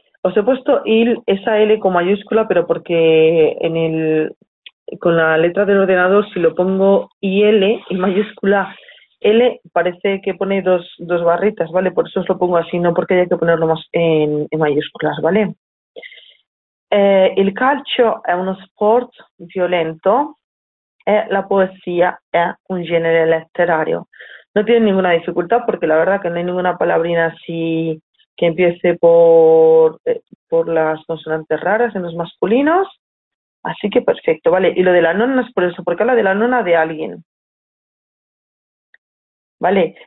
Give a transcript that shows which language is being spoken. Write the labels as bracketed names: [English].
[Spanish] Os he puesto il, esa L con mayúscula, pero porque en el, con la letra del ordenador, si lo pongo IL, y mayúscula L, parece que pone dos barritas, ¿vale? Por eso os lo pongo así, no porque haya que ponerlo más en mayúsculas, ¿vale? [Italian] El calcio è uno sport violento, e la poesía è un genere letterario. [Spanish] No tiene ninguna dificultad, porque la verdad que no hay ninguna palabrina así que empiece por las consonantes raras en los masculinos, así que perfecto, ¿vale? Y lo de la nona es por eso, porque habla de la nona de alguien, ¿vale?